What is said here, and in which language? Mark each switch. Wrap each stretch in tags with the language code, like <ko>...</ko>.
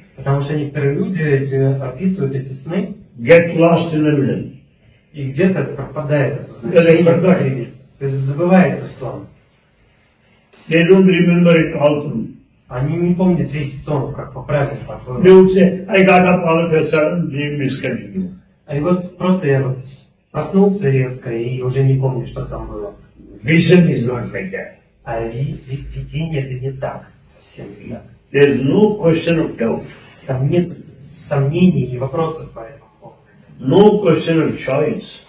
<ru>Потому что некоторые люди эти, описывают эти сны.</ru> <en>Get lost in them.</en> <ru>И где-то пропадает это значение. То есть забывается сон.</ru> <en>They don't remember it all through.</en> <ru>Они не помнят весь сон, как по правилам.</ru> <en>They would say, I got up all of a sudden, dream is coming.</en> <ru>И вот просто я вот проснулся резко и уже не помню, что там было.</ru> <en>Vision is not like that.</en> <ru>А видение это не так, совсем не так.</ru> <en>There's no question of doubt.</en> <ru>Там нет сомнений и вопросов по этому.</ru> <en>No question of choice.</en>